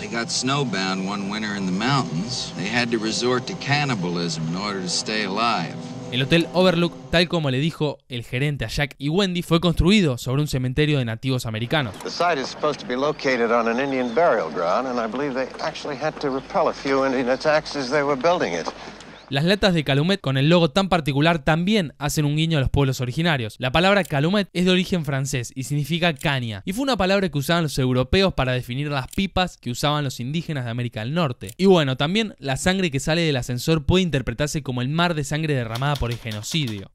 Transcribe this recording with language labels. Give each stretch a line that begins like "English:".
English: They got snowbound one winter in the mountains. They had to resort to cannibalism in order to stay alive.
Spanish: El hotel Overlook, tal como le dijo el gerente a Jack y Wendy, fue construido sobre un cementerio de nativos americanos.
English: The site is supposed to be located on an Indian burial ground, and I believe they actually had to repel a few Indian attacks as they were building it.
Spanish: Las latas de calumet con el logo tan particular también hacen un guiño a los pueblos originarios. La palabra calumet es de origen francés y significa caña, y fue una palabra que usaban los europeos para definir las pipas que usaban los indígenas de América del Norte. Y bueno, también la sangre que sale del ascensor puede interpretarse como el mar de sangre derramada por el genocidio.